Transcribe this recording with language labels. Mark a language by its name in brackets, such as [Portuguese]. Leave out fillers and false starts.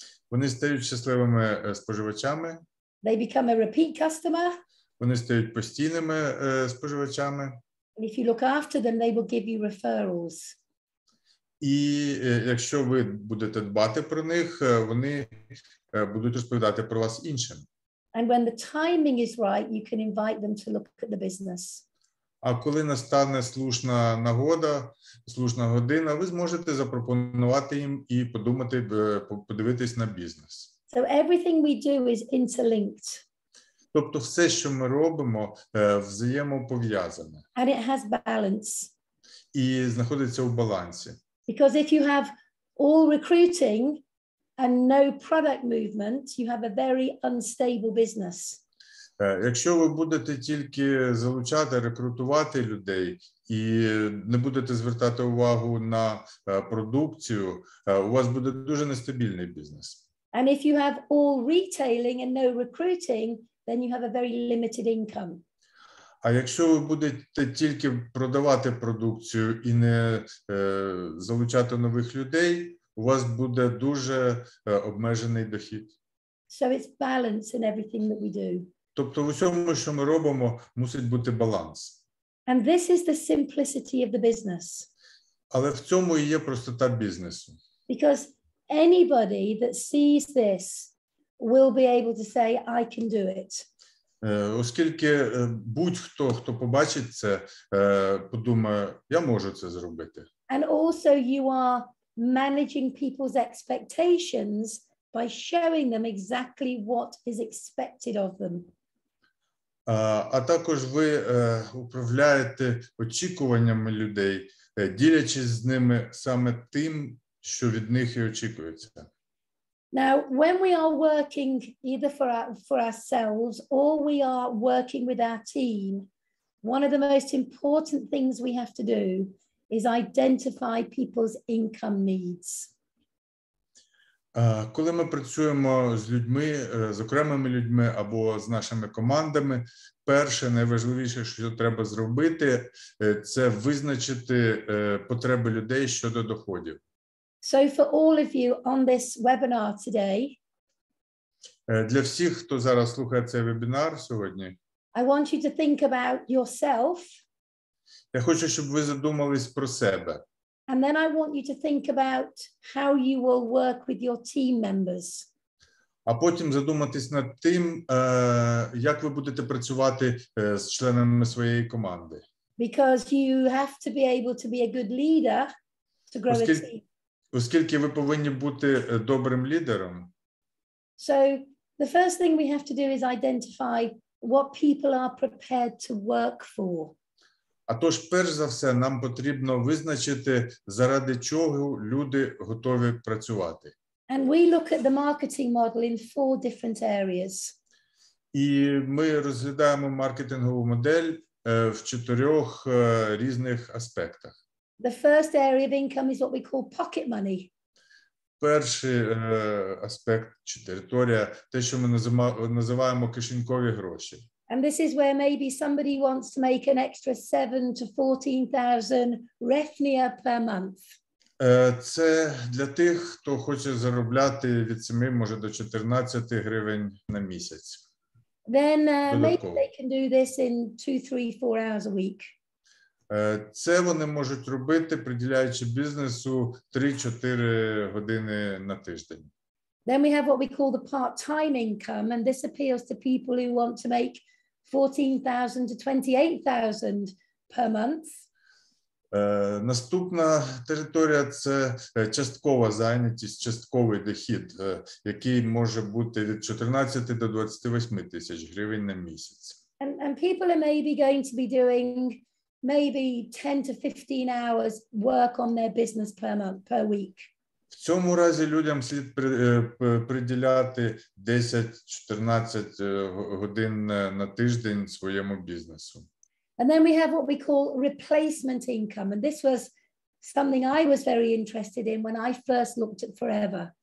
[Ukrainian] Вони стають щасливими споживачами. [English] They become a repeat customer. [Ukrainian] Вони стають постійними споживачами. [English] And if you look after them, they will give you referrals. [Ukrainian] І якщо ви будете дбати про них, вони будуть розповідати про вас іншим. [English] And when the timing is right, you can invite them to look at the business. [Ukrainian] А коли настане слушна нагода, слушна година, ви зможете запропонувати їм і подумати, подивитись на бізнес. [English] So everything we do is interlinked. [Ukrainian] Тобто все, що ми робимо, взаємопов'язане. [English] And it has balance. [Ukrainian] І знаходиться в балансі. [English] Because if you have all recruiting and no product movement, you have a very unstable business. [Ukrainian] Якщо ви будете тільки залучати, рекрутувати людей і не будете звертати увагу на продукцію, у вас буде дуже нестабільний бізнес. [English] And if you have all retailing and no recruiting, then you have a very limited income. [Ukrainian] А якщо ви будете тільки продавати продукцію і не залучати нових людей, у вас буде дуже обмежений дохід. [English] So it's balance in everything that we do. [Ukrainian] Тобто в усьому, що ми робимо, мусить бути баланс. [English] And this is the simplicity of the business. [Ukrainian] Але в цьому і є простота бізнесу. [English] Because anybody that sees this will be able to say, I can do it. [Ukrainian] Оскільки будь-хто, хто побачить це, подумає, я можу це зробити. [English] And also you are managing people's expectations by showing them exactly what is expected of them. [Ukrainian] А також ви управляєте очікуваннями людей, ділячись з ними саме тим, що від них і очікується. [English] Now, when we are working either for ourselves or we are working with our team, one of the most important things we have to do is identify people's income needs. [Ukrainian] Коли ми працюємо з людьми, з окремими людьми або з нашими командами, перше, найважливіше, що треба зробити, це визначити потреби людей щодо доходів. [English] So for all of you on this webinar today, [Ukrainian] для всіх, хто зараз слухає цей вебінар сьогодні, [English] I want you to think about yourself. [Ukrainian] Я хочу, щоб ви задумались про себе. [English] And then I want you to think about how you will work with your team members. [Ukrainian] А потім задуматись над тим, як ви будете працювати з членами своєї команди. [English] Because you have to be able to be a good leader to grow a team. [Ukrainian] Оскільки ви повинні бути добрим лідером. [English] So the first thing we have to do is identify what people are prepared to work for. [Ukrainian] А тож перш за все нам потрібно визначити, заради чого люди готові працювати. [English] And we look at the marketing model in four different areas. [Ukrainian] І ми розглядаємо маркетингову модель в чотирьох різних аспектах. [English] The first area of income is what we call pocket money. [Ukrainian] Перший аспект чи територія, те, що ми називаємо кишенькові гроші. [English] And this is where maybe somebody wants to make an extra 7,000 to 14,000 refnia per month. [Ukrainian] Це для тих, хто хоче заробляти від 7, може до 14 гривень на місяць. [English] Then maybe they can do this in 2-3-4 hours a week. [Ukrainian] Це вони можуть робити, приділяючи бізнесу 3-4 години на тиждень. [English] Then we have what we call the part-time income, and this appeals to people who want to make 14,000 to 28,000 per month. [Ukrainian] Наступна територія – це часткова зайнятість, частковий дохід, який може бути від 14 до 28 тисяч гривень на місяць. [English] And people are maybe going to be doing maybe 10 to 15 hours work on their business per month, per week. [Ukrainian] В цьому разі людям слід приділяти 10-14 годин на тиждень своєму бізнесу. [English] And then we have what we call replacement income. And this was something I was very interested in when I first looked at Forever.